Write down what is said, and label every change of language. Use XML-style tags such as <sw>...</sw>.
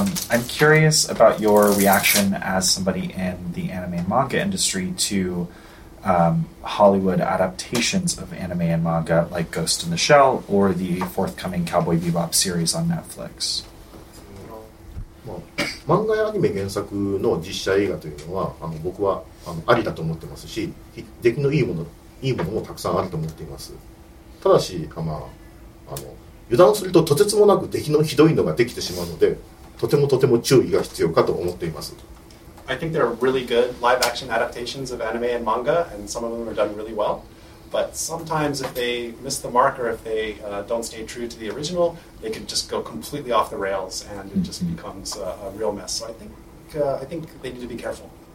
<en>I'm curious about your reaction as somebody in the anime and manga industry to Hollywood adaptations of anime and manga like Ghost in the Shell or the forthcoming Cowboy Bebop series on Netflix. Manga and anime</en> <ja>原作の実写映画というのは、僕はありだと思ってますし、出来のいいものだ。いいものもたくさんあると思っています。ただし、油断するととてつもなく出来のひどいのができてしまうので、とてもとても注意が必要かと思っています。</ja> <en>I think there are really good live action adaptations of anime and manga, and some of them are done really well, but sometimes if they miss the mark or if they don't stay true to the original, they can just go completely off the rails and it just becomes a real mess. So I think they need to be careful.</en>